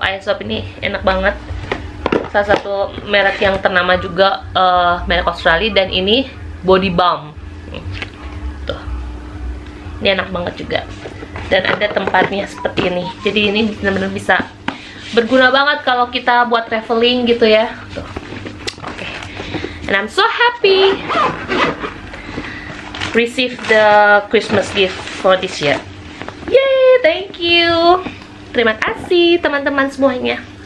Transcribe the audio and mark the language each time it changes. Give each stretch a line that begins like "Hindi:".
Indonesian: Aesop ini enak banget. Salah satu merek yang ternama juga, merek Australia. Dan ini body balm. Tuh. Ini enak banget juga. Dan ada tempatnya seperti ini. Jadi ini benar-benar bisa berguna banget kalau kita buat traveling gitu ya. Tuh. Oke. Okay.
English: And I'm so happy receive the Christmas gift for this year. Yay, thank you.
Indonesian: Terima kasih teman-teman semuanya.